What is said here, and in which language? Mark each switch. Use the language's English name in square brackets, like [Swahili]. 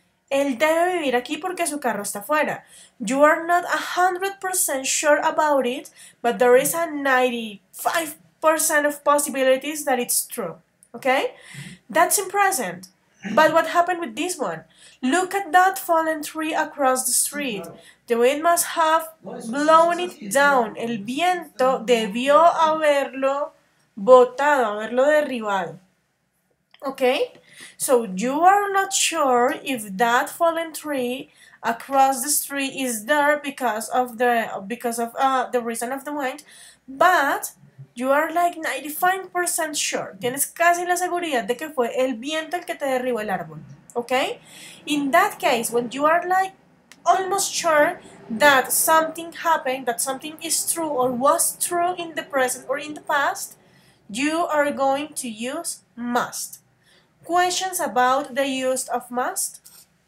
[Spanish] Él debe vivir aquí porque su carro está fuera. [English] You are not 100% sure about it, but there is a 95% of possibilities that it's true. Okay? That's in present. But what happened with this one? Look at that fallen tree across the street. The wind must have blown it down. [Spanish] El viento debió haberlo botado, haberlo derribado. [English] Okay? So you are not sure if that fallen tree across the street is there because of the reason of the wind, but you are like 95% sure. [Spanish] Tienes casi la seguridad de que fue el viento el que te derribó el árbol. Okay? [English] In that case, when you are like almost sure that something happened, that something is true or was true in the present or in the past, you are going to use must. Questions about the use of must?